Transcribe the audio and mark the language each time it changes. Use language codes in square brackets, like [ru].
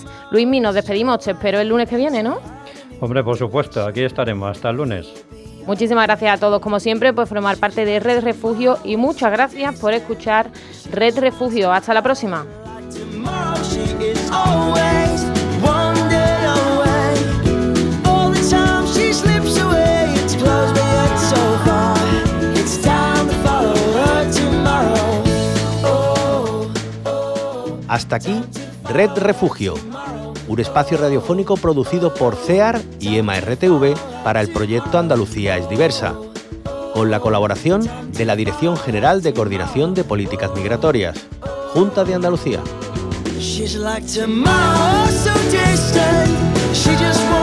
[es] Luismi, nos despedimos, te espero el lunes que viene, ¿no? Hombre, por supuesto, aquí estaremos, hasta el lunes. Muchísimas gracias a todos, como siempre, por formar parte de Red Refugio y muchas gracias por escuchar Red Refugio. Hasta la próxima. [en] Tomorrow she is always one day away. All the time she slips away, it's close but yet so far. It's time to follow her tomorrow. Oh, oh, oh. [es] Hasta aquí Red Refugio, un espacio radiofónico producido por CEAR y EMARTV para el proyecto Andalucía es diversa, con la colaboración de la Dirección General de Coordinación de Políticas Migratorias, Junta de Andalucía. [en] She's like tomorrow, so distant. She just